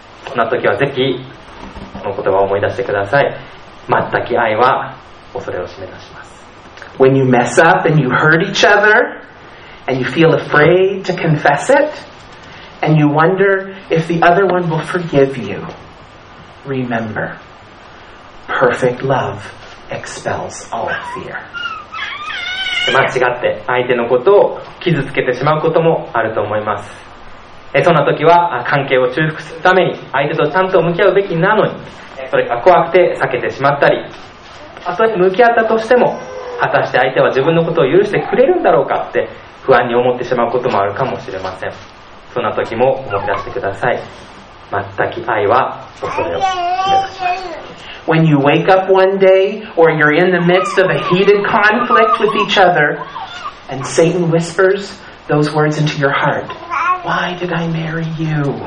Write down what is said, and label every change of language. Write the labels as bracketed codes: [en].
[ja] そんな時はぜひこの言葉を思い出してください。全く愛は恐れを締め出します。 [en] When you mess up and you hurt each other and you feel afraid to confess it and you wonder if the other one will forgive you, remember perfect love expels all fear。 [ja] 間違って相手のことを傷つけてしまうこともあると思います。そんな時は関係を修復するために相手とちゃんと向き合うべきなのに、それが怖くて避けてしまったり、それに向き合ったとしても果たして相手は自分のことを許してくれるんだろうかって不安に思ってしまうこともあるかもしれません。そんな時も思い出してください。全く愛は恐れを決めました。 [en] When you wake up one day or you're in the midst of a heated conflict with each other and Satan whispers those words into your heartWhy did I marry you?